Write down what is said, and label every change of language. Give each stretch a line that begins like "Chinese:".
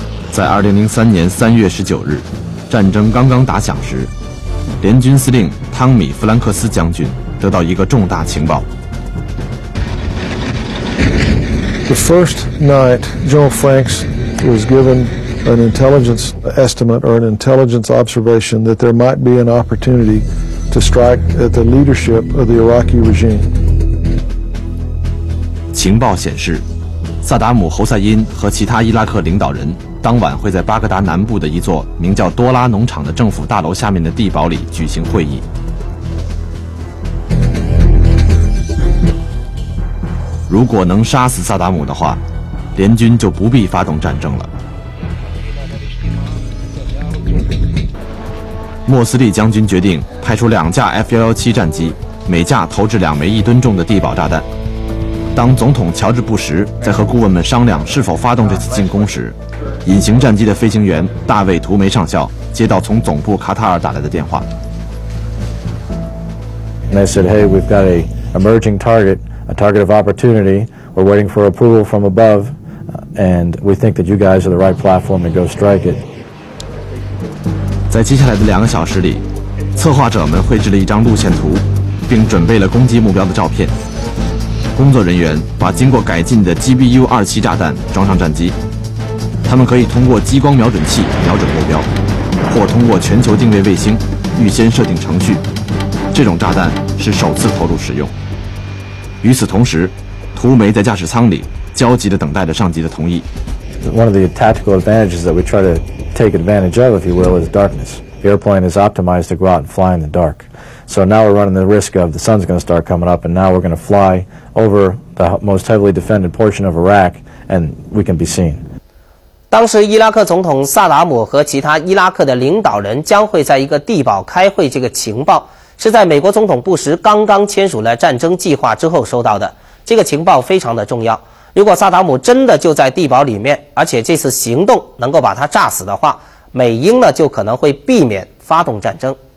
Chinese: 在2003年3月19日，战争刚刚打响时，联军司令汤米·弗兰克斯将军得到一个重大情报。
English: The first night, General Franks was given an intelligence estimate or an intelligence observation that there might be an opportunity to strike at the leadership of the Iraqi regime.
Chinese: 情报显示，萨达姆·侯赛因和其他伊拉克领导人当晚会在巴格达南部的一座名叫多拉农场的政府大楼下面的地堡里举行会议。如果能杀死萨达姆的话，联军就不必发动战争了。莫斯利将军决定派出2架 F-117 战机，每架投掷2枚1吨重的地堡炸弹。当总统乔治·布什在和顾问们商量是否发动这次进攻时，隐形战机的飞行员大卫·图梅上校接到从总部卡塔尔打来的电话。
English: And I said, hey, we've got an emerging target, a target of opportunity. We're waiting for approval from above, and we think that you guys are the right platform to go strike it.
Chinese: 在接下来的两个小时里，策划者们绘制了一张路线图，并准备了攻击目标的照片。工作人员把经过改进的 GBU-27 炸弹装上战机，他们可以通过激光瞄准器瞄准目标，或通过全球定位卫星预先设定程序。这种炸弹是首次投入使用。与此同时，图梅在驾驶舱里焦急地等待着上级的同意。
English: One of the tactical advantages that we try to take advantage of, if you will, is darkness. The airplane is optimized to go out and fly in the dark. So now we're running the risk of the sun's going to start coming up, and now we're going to fly over the most heavily defended portion of Iraq, and we can be seen.
Chinese: 当时伊拉克总统萨达姆和其他伊拉克的领导人将会在一个地堡开会，这个情报是在美国总统布什刚刚签署了战争计划之后收到的，这个情报非常的重要。如果萨达姆真的就在地堡里面，而且这次行动能够把他炸死的话，美英呢就可能会避免发动战争。